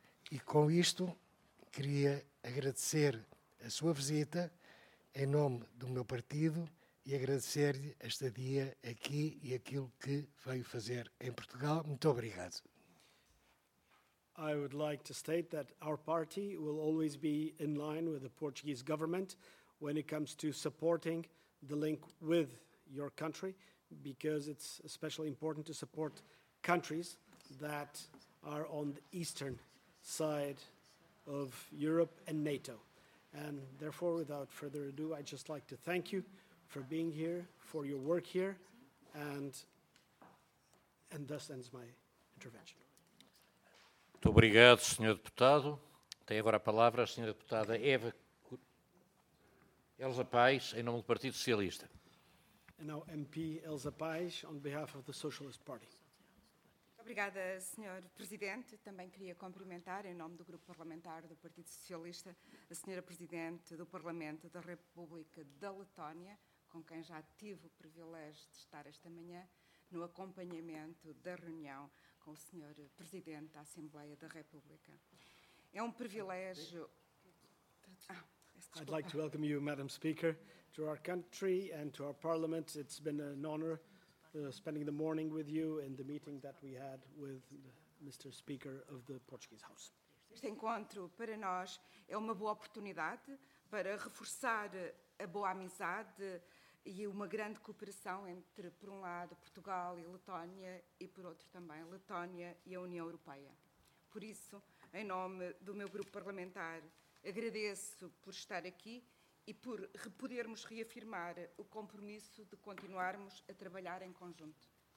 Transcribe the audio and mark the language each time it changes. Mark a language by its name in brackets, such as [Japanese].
[Portuguese] E com isto, queria agradecer a sua visita em nome do meu partido e agradecer-lhe este dia aqui e aquilo que veio fazer em Portugal. Muito obrigado. [English] I would like to state that our party will always be in line with the Portuguese government when it comes to supporting the link with your country, because it's especially important to support countries that are on the eastern side of Europe and NATO. And therefore, without further ado, I'd just like to thank you for being here, for your work here, and thus ends my intervention. [Portuguese] Muito obrigado, Sr. Deputado. Tem agora a palavra a Sra. Deputada Elsa Paes, em nome do Partido Socialista. [English] And now MP Elsa Paes, on behalf of the Socialist Party. [Portuguese] Obrigada, Sr. Presidente. Também queria cumprimentar, em nome do Grupo Parlamentar do Partido Socialista, a Sra. Presidente do Parlamento da República da Letónia, com quem já tive o privilégio de estar esta manhã no acompanhamento da reunião com o Sr. Presidente da Assembleia da República. É um privilégio... [English] I'd like to welcome you, Madam Speaker, to our country and to our Parliament. It's been an honor spending the morning with you in the meeting that we had with Mr. Speaker of the Portuguese House. [Portuguese] Este encontro, para nós, é uma boa oportunidade para reforçar a boa amizade e uma grande cooperação entre, por um lado, Portugal e Letónia e, por outro, também Letónia e a União Europeia. Por isso, em nome do meu grupo parlamentar, agradeço por estar aqui e por podermos reafirmar o compromisso de continuarmos a trabalhar em conjunto.